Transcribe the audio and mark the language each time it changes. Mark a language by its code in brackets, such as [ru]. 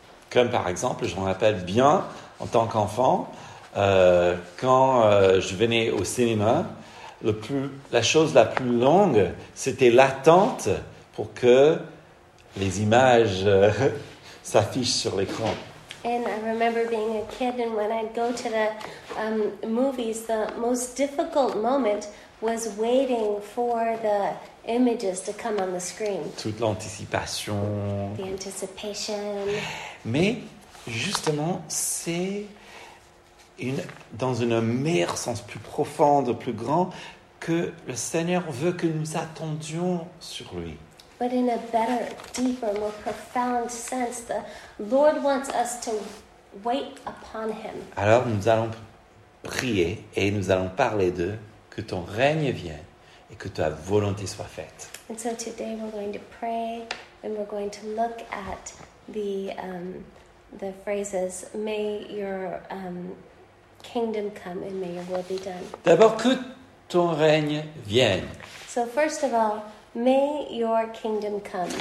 [fr] Comme par exemple, je me rappelle bien en tant qu'enfant, quand je venais au cinéma, la chose la plus longue, c'était l'attente pour que les images s'affichent sur l'écran. [en] And I remember being a kid, and when I'd go to the movies, the most difficult moment was waiting for the images to come on the screen. [fr] Toute l'anticipation. [en] The anticipation. [fr] Mais justement, c'est une, dans un meilleur sens, plus profond, plus grand, que le Seigneur veut que nous attendions sur lui. [en] But in a better, deeper, more profound sense, the Lord wants us to wait upon him. [fr] Alors nous allons prier et nous allons parler de que ton règne vienne et que ta volonté soit faite. [en] And so today we're going to pray and we're going to look at the phrases, may your kingdom come and may your will be done. [fr] D'abord, que ton règne vienne. [en] So first of all, may your kingdom come.